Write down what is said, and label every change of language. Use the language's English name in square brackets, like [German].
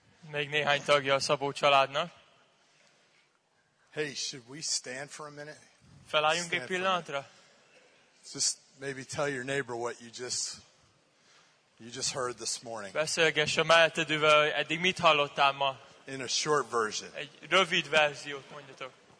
[Hungarian] Még néhány tagja a Szabó családnak. [English] Hey, should we stand for a minute? [Hungarian] Felálljunk egy pillanatra. [English] Just maybe tell your neighbor what you just heard this morning. [Hungarian] Beszélgess a melletteddővel, hogy eddig mit hallottál ma. [English] In a short version. [Hungarian] Egy rövid verziót mondjatok.